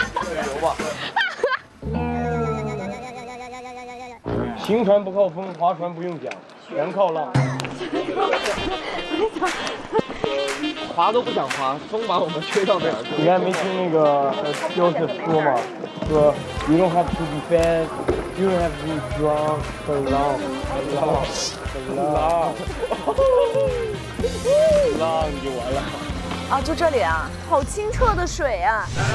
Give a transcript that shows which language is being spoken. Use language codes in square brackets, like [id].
[zh] 旅游吧。行船不靠风，划船不用桨，全靠浪。划都不想划，风把我们吹到哪儿去？你还没听那个教授说吗？ [en] 说 you don't have to be fast, you don't have to be strong, but long, long, long, [zh] long 就完了。啊，就这里啊，好清澈的水啊！